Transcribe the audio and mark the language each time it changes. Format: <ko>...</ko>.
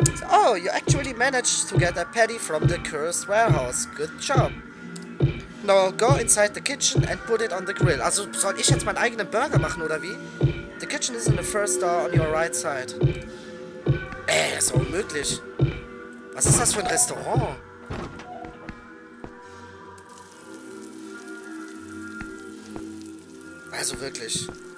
<en>Oh, you actually managed to get a patty from the cursed warehouse. Good job. Now go inside the kitchen and put it on the grill.</en> <de>Also soll ich jetzt meinen eigenen Burger machen, oder wie?</de> <en>The kitchen is in the first door on your right side.</en> <de>Ey, ist unmöglich. Was ist das für ein Restaurant? Also wirklich.</de>